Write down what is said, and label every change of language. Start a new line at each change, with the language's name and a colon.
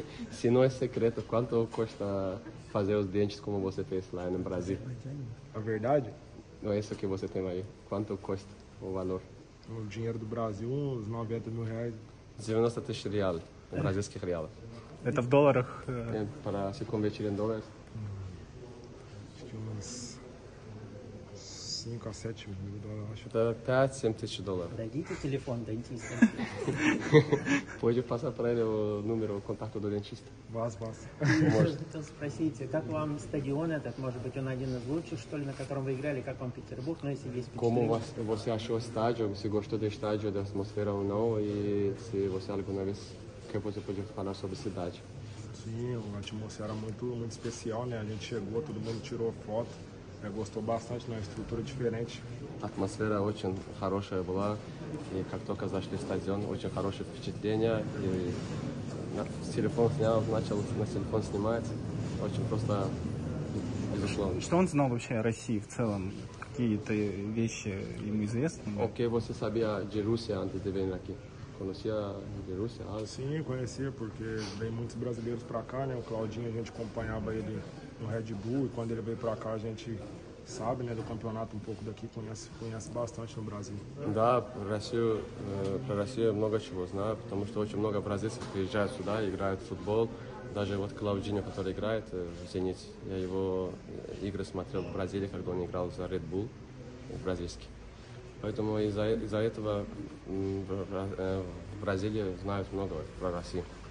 Portuguese: Se não é secreto, quanto custa fazer os dentes como você fez lá no Brasil? A verdade? Não é isso que você tem aí. Quanto custa o valor? O dinheiro do Brasil, uns 90 mil reais.
Russian: 90 тысяч реалов, бразильских реалов. Это в долларах?
Portuguese: Para se convertir em dólares. Acho que uns 5 a 7 mil dólares.
Russian: Это 5-7 тысяч долларов. Дадите телефон дантиста.
Portuguese: Pode passar para ele o número, o contato do dentista. Vas. Então,
Russian: спросите, как вам стадион этот? Может быть, он один из лучших, что ли, на котором вы играли? Как вам Петербург? Ну, если есть
Portuguese: Como você achou o estádio? Se gostou do estádio, da atmosfera ou não? E se você alguma vez... que você podia falar sobre a cidade? Sim, a atmosfera era muito, muito especial, né? A gente chegou, todo mundo tirou foto. Gostou bastante, né? Estrutura diferente.
Russian: Atmosfera очень хорошая была. И как только зашли в стадион, очень хорошее впечатление. И телефон снял, начал на телефон снимать. Очень просто, безусловно. Что он знал вообще о России в целом? Какие-то вещи ему известны?
Portuguese: Окей, você sabia de Rússia antes de vir aqui? Conhecia de Rússia? Ah, sim, conhecia, porque vem muitos brasileiros para cá, né? O Claudinho, a gente acompanhava ele no Red Bull. E quando ele veio para cá, a gente sabe, né, do campeonato um pouco daqui, conhece bastante no Brasil.
Russian: Да, про Россию много чего знаю, потому что очень много бразильцев приезжают сюда, играют в футбол. Даже вот Клаудиньо, который играет в «Зенит», я его игры смотрел в Бразилии, когда он играл за Red Bull в бразильский. Поэтому из-за этого в Бразилии знают много про Россию.